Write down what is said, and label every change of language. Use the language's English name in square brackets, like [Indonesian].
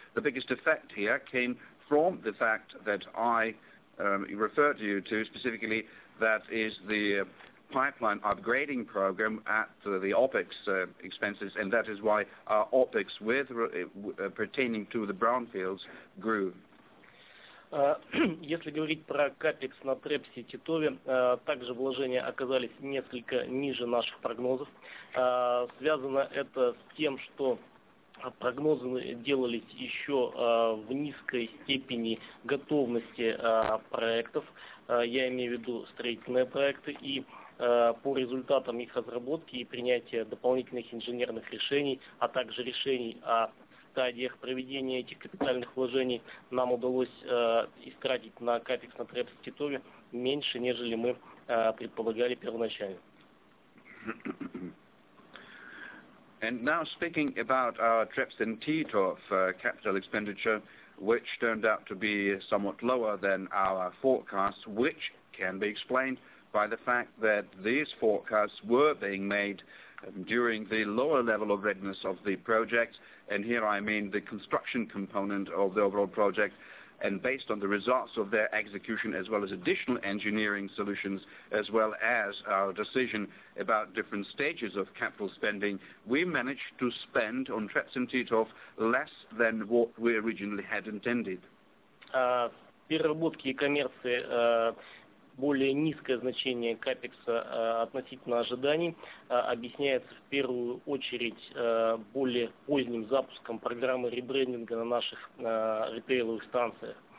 [English] The biggest effect here came from the fact that I referred to you to specifically, that is the pipeline upgrading program at the OPEX expenses, and that is why our OPEX with pertaining to the brownfields grew. [Russian] Если говорить про капекс на Трепсе и Титове, также вложения оказались несколько ниже наших прогнозов. Связано это с тем, что прогнозы делались еще в низкой степени готовности проектов. Я имею в виду строительные проекты, и по результатам их разработки и принятия дополнительных инженерных решений, а также решений о стадиях проведения этих капитальных вложений, нам удалось истратить на капекс на ТРЭПС в Титове меньше, нежели мы предполагали первоначально. [English] And now speaking about our TREPS and TTOF capital expenditure, which turned out to be somewhat lower than our forecasts, which can be explained by the fact that these forecasts were being made during the lower level of readiness of the project, and here I mean the construction component of the overall project, and based on the results of their execution as well as additional engineering solutions as well as our decision about different stages of capital spending, we managed to spend on TREPS and TTOF less than what we originally had intended. [Russian] Переработки и коммерции более низкое значение капекса относительно ожиданий объясняется в первую очередь более поздним запуском программы ребрендинга на наших ритейловых станциях.